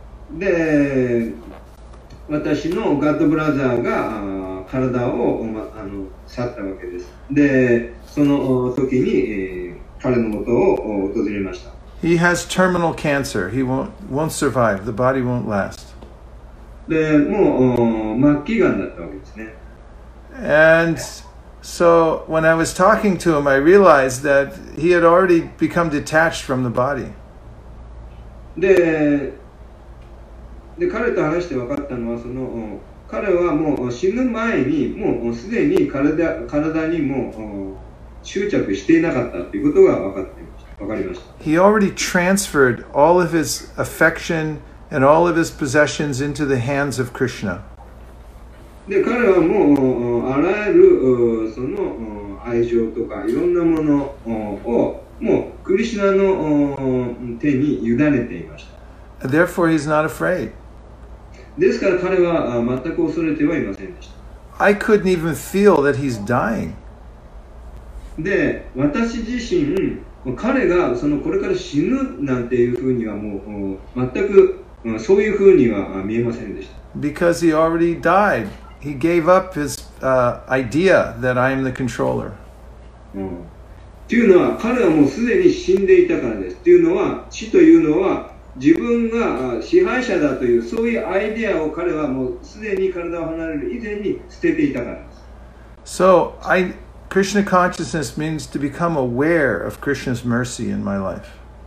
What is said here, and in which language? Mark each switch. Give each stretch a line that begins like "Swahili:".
Japanese: で、私のガッドブラザーが体を去ったわけです。で、その時に彼の元を訪れました。
English: He has terminal cancer. He won't survive. The body won't last.
Japanese: で、もう末期がんだったわけですね。
English: And so when I was talking to him, I realized that he had already become detached from the body.
Japanese: で、彼と話して分かったのは、その彼はもう死ぬ前にもうすでに体にもう執着していなかったということが分かりました。
English: He already transferred all of his affection and all of his possessions into the hands of Krishna.
Japanese: で、彼はもうあらゆるその愛情とかいろんなものをもうクリシナの手に委ねていました。
English: Therefore, he's not afraid.
Japanese: ですから彼は全く恐れてはいませんでした。
English: I couldn't even feel that he's dying.
Japanese: で、私自身、彼がそのこれから死ぬなんていうふうにはもう全くそういうふうには見えませんでした。
English: Because he already died. He gave up his idea that I am the controller.
Japanese: というのは彼はもうすでに死んでいたからです。というのは死というのは自分が支配者だというそういうアイデアを彼はもうすでに体を離れる以前に捨てていたからです。
English: So, Krishna consciousness means to become aware of Krishna's mercy in my life.